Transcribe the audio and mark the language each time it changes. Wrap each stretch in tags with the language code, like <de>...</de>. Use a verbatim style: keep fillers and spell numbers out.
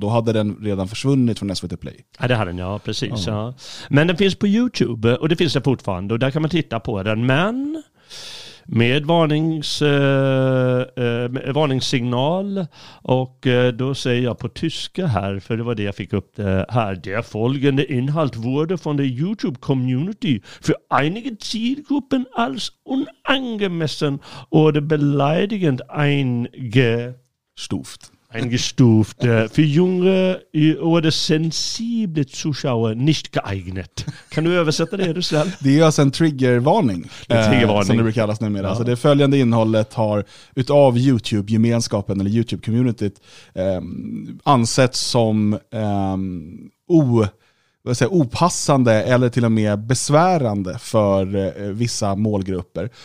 <sv>Och då hade den redan försvunnit från S V T Play. Ja, det hade den, ja. Precis. Ja. Ja. Men den finns på YouTube och det finns den fortfarande. Och där kan man titta på den. Men med varnings, eh, eh, varningssignal. Och eh, då säger jag på tyska här, för det var det jag fick upp det här.</sv> <de>Der folgende Inhalt wurde von der YouTube-Community für einige Zielgruppen als unangemessen oder beleidigend eingestuft. Eingestuft. För junge oder sensible Zuschauer nicht geeignet.</de> <sv>Kan du översätta det, Russell? Det är alltså en triggervarning. En triggervarning. Eh, som det brukar kallas numera. Ja. Alltså det följande innehållet har utav YouTube-gemenskapen eller YouTube-communityt eh, ansetts som eh, o, vad säger, opassande eller till och med besvärande för eh, vissa målgrupper.</sv>